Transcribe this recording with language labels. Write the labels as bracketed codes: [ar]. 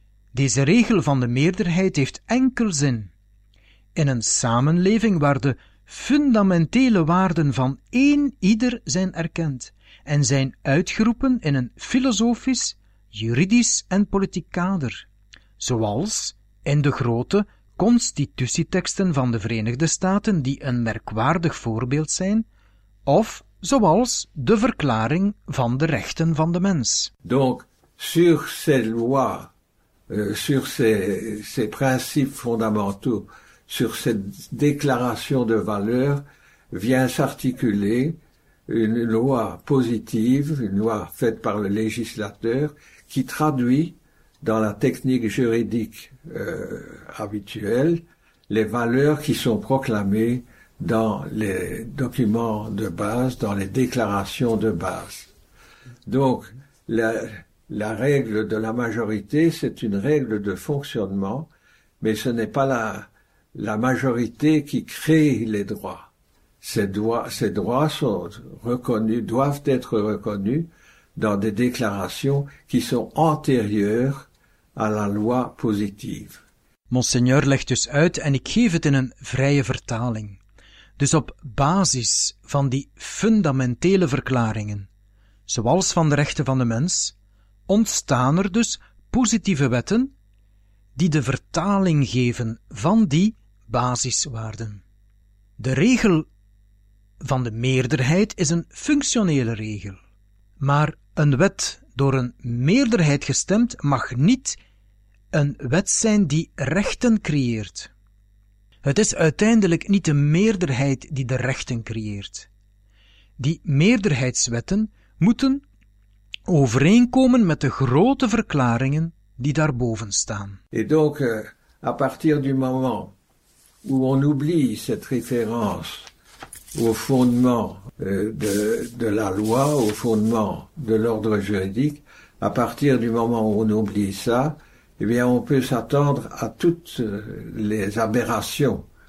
[nl] Deze regel van de meerderheid heeft enkel zin in een samenleving waar de fundamentele waarden van één ieder zijn erkend en zijn uitgeroepen in een filosofisch, juridisch en politiek kader, zoals in de grote constitutieteksten van de Verenigde Staten die een merkwaardig voorbeeld zijn, of zoals de verklaring van de rechten van de mens. [fr] Donc, sur ces lois, sur ces principes fondamentaux, sur cette déclaration de valeur, vient s'articuler une loi positive, une loi faite par le législateur, qui traduit dans la technique juridique habituelle les valeurs qui sont proclamées dans les documents de base, dans les déclarations de base. Donc, la règle de la majorité, c'est une règle de fonctionnement, mais ce n'est pas la majorité qui crée les droits. Ces droits sont reconnus, doivent être reconnus dans des déclarations qui sont antérieures à la loi positive. [nl] Monseigneur legt dus uit, en ik geef het in een vrije vertaling. Dus op basis van die fundamentele verklaringen, zoals van de rechten van de mens, ontstaan er dus positieve wetten die de vertaling geven van die basiswaarden. De regel van de meerderheid is een functionele regel, maar een wet door een meerderheid gestemd mag niet een wet zijn die rechten creëert. Het is uiteindelijk niet de meerderheid die de rechten creëert. Die meerderheidswetten moeten overeenkomen met de grote verklaringen die daarboven staan. [fr] Et donc, à partir du moment où on oublie cette référence au fondement de la loi, au fondement de l'ordre juridique, à partir du moment où on oublie ça, eh bien, on peut s'attendre à toutes les aberrations.